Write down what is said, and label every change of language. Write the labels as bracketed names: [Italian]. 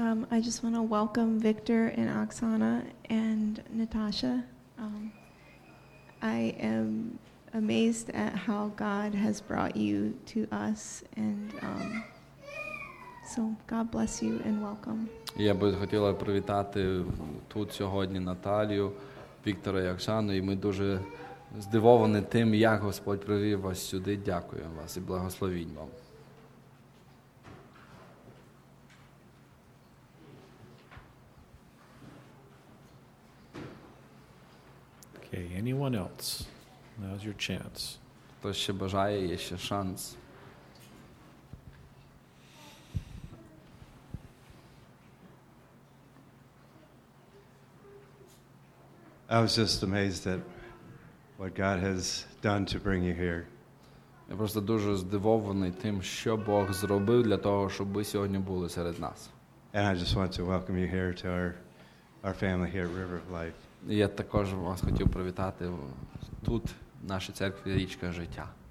[English] I just want to welcome Victor and Оксана and Natasha. I am amazed at how God has brought you to us, and so God bless you and welcome. [Ukrainian] Я би хотіла привітати тут сьогодні Наталію, Віктора і Оксану, і ми дуже здивовані тим, як Господь привів вас сюди. Дякую вам і благословінь вам. [English] Okay, anyone else? Now's your chance. [Ukrainian] Хто ще бажає, є ще шанс. [English] I was just amazed at what God has done to bring you here. [Ukrainian] Я просто дуже здивований тим, що Бог зробив для того, щоб ви сьогодні були серед нас. [English] And I just want to welcome you here to our family here at River of Life. [Ukrainian] Я також вас хотів привітати тут, в нашій церкві Річка Життя.